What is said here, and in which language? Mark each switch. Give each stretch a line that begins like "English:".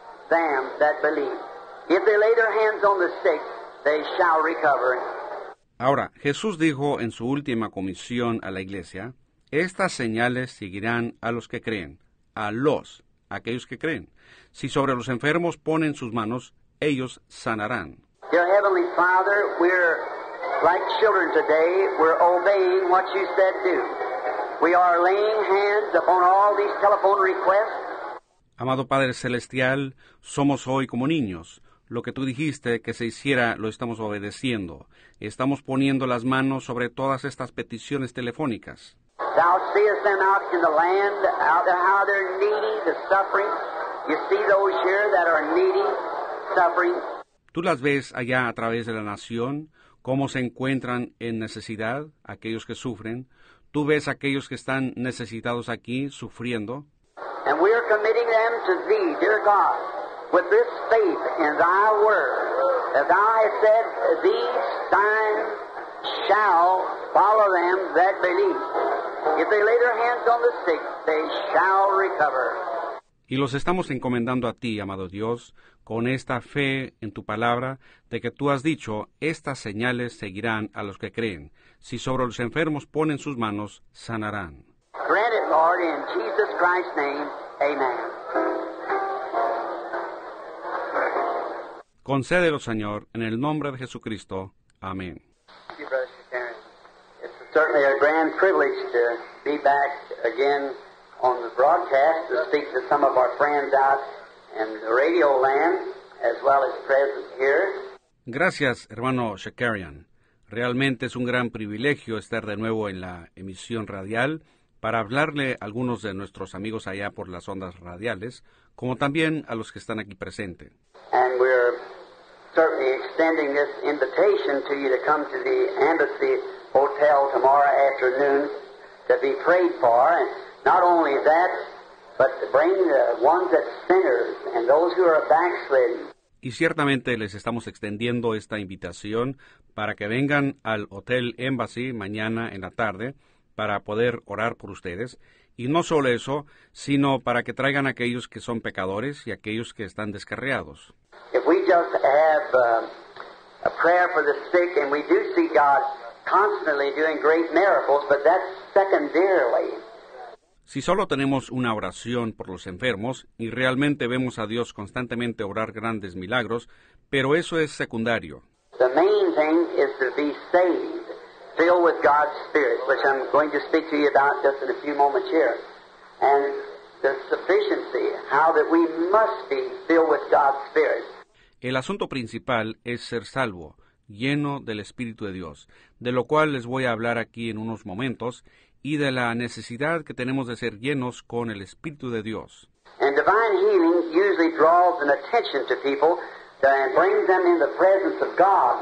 English: Them that believe. If they lay their hands on the sick, they shall recover.
Spanish: Ahora, Jesús dijo en su última comisión a la iglesia, estas señales seguirán a los que creen, a los, aquellos que creen. Si sobre los enfermos ponen sus manos, ellos sanarán.
English: Dear Heavenly Father, we're like children today, we're obeying what you said to. We are laying hands upon all these telephone requests.
Spanish: Amado Padre Celestial, somos hoy como niños. Lo que tú dijiste que se hiciera, lo estamos obedeciendo. Estamos poniendo las manos sobre todas estas peticiones telefónicas.
English: Thou seest them out in the land, out there how they're needy, the suffering. You see those here that are needy, suffering.
Spanish: Tú las ves allá a través de la nación, cómo se encuentran en necesidad, aquellos que sufren. Tú ves a aquellos que están necesitados aquí, sufriendo.
English: And we are committing them to thee, dear God, with this faith in thy word, that thou hast said, these signs shall follow them that believe. If they lay their hands on the sick, they shall recover.
Spanish: Y los estamos encomendando a ti, amado Dios, con esta fe en tu palabra, de que tú has dicho, estas señales seguirán a los que creen. Si sobre los enfermos ponen sus manos, sanarán.
English: Grant it, Lord, in Jesus Christ's name. Amen.
Spanish: Concédelo, Señor, en el nombre de Jesucristo. Amén.
English: Thank you, Brother Sharon. It's certainly a grand privilege to be back again on the broadcast to speak to some of our friends out in the radio land, as well as present here.
Spanish: Gracias, hermano Shakarian. Realmente es un gran privilegio estar de nuevo en la emisión radial para hablarle a algunos de nuestros amigos allá por las ondas radiales, como también a los que están aquí presentes.
English: And we're certainly extending this invitation to you to come to the Embassy Hotel tomorrow afternoon to be prayed for. And not only that, but to bring the ones that sinners and those who are backslidden.
Spanish: Y ciertamente les estamos extendiendo esta invitación para que vengan al Hotel Embassy mañana en la tarde para poder orar por ustedes. Y no solo eso, sino para que traigan a aquellos que son pecadores y aquellos que están descarriados.
English: If we just have a prayer for the sick, and we do see God constantly doing great miracles, but that's secondarily.
Spanish: Si solo tenemos una oración por los enfermos y realmente vemos a Dios constantemente obrar grandes milagros, pero eso es secundario.
English: The main thing is to be saved, filled with God's Spirit, which I'm going to speak to you about just in a few moments here. And the sufficiency, how that we must be filled with God's Spirit.
Spanish: El asunto principal es ser salvo, lleno del Espíritu de Dios, de lo cual les voy a hablar aquí en unos momentos, y de la necesidad que tenemos de ser llenos con el Espíritu de Dios.
English: And divine healing usually draws an attention to people and brings them in the presence of God.